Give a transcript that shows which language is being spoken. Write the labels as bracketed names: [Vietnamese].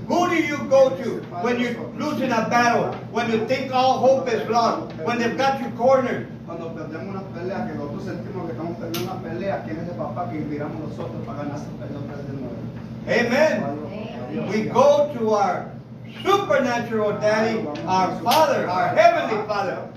[English] Who do you go to when you lose in a battle? When you think all hope is lost? When they've got you cornered? [Spanish] Cuando perdemos una pelea, que nosotros sentimos que estamos perdiendo una pelea, ¿quién es el papá que miramos nosotros para ganar esa pelea otra vez de nuevo? [English] Amen. We go to our supernatural daddy, our father, our heavenly father.